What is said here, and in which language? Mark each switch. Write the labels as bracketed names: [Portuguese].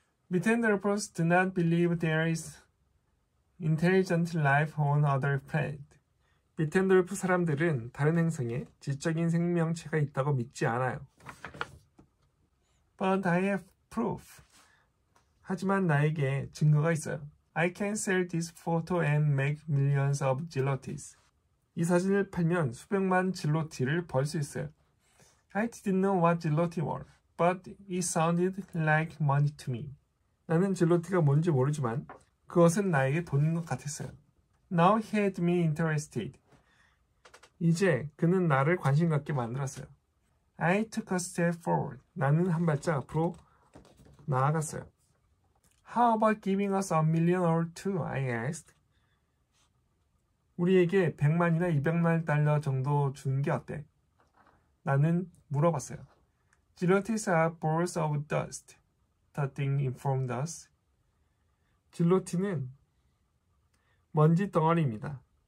[English] Mythanthropers do not believe there is intelligent life on other planets. [Korean] 미텐드로프 사람들은 다른 행성에 지적인 생명체가 있다고 믿지 않아요. [English] But I have proof. [Korean] 하지만 나에게 증거가 있어요. [English] I can sell this photo and make millions of zlotys. [Korean] 이 사진을 팔면 수백만 zloty를 벌 수 있어요. [English] I didn't know what zloty were, but it sounded like money to me. [Korean] 나는 zloty가 뭔지 모르지만 그것은 나에게 돈인 것 같았어요. [English] Now he had me interested. [Korean] 이제 그는 나를 관심 갖게 만들었어요. [English] I took a step forward. [Korean] 나는 한 발짝 앞으로 나아갔어요. [English] How about giving us a million or two? I asked. [Korean] 우리에게 100만이나 200만 달러 정도 주는 게 어때? 나는 물어봤어요. [English] Zlotys are balls of dust. The thing informed us. [Korean] 질로티는 먼지 덩어리입니다.